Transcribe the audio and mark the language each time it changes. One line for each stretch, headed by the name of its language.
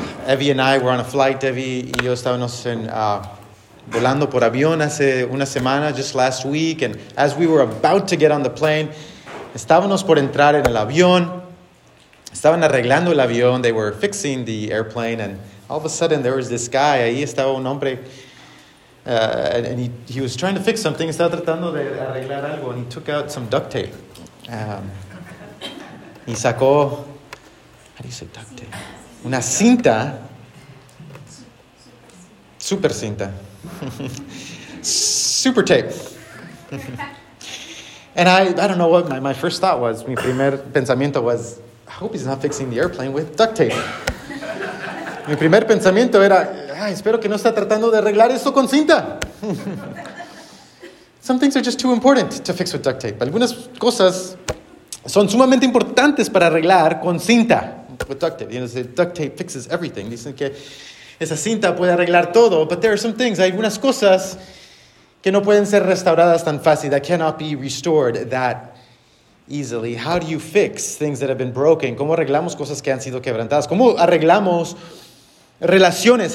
English: Evie and I were on a flight.
Spanish: Evie y yo estábamos en... volando por avión hace una semana,
English: just last week, and as we were about to get on the plane,
Spanish: estábamos por entrar en el avión,
English: estaban arreglando el avión, they were fixing the airplane, and all of a sudden there was this guy,
Spanish: ahí estaba un hombre,
English: and he was trying to fix something,
Spanish: estaba tratando de arreglar algo,
English: and he took out some duct tape,
Spanish: y sacó,
English: how do you say duct tape?
Spanish: Una cinta, super cinta.
English: Super tape. And I don't know what my first thought was.
Spanish: Mi primer pensamiento
English: was, I hope he's not fixing the airplane with duct tape.
Spanish: Mi primer pensamiento era, ay, espero que no está tratando de arreglar esto con cinta.
English: Some things are just too important to fix with duct tape.
Spanish: Algunas cosas son sumamente importantes para arreglar con cinta.
English: With duct tape. You know, duct tape fixes everything.
Spanish: Dicen que esa cinta puede arreglar todo,
English: but there are some things,
Spanish: hay algunas cosas que no pueden ser restauradas tan fácil,
English: that cannot be restored that easily. How do you fix things that have been broken?
Spanish: ¿Cómo arreglamos cosas que han sido quebrantadas? ¿Cómo arreglamos relaciones?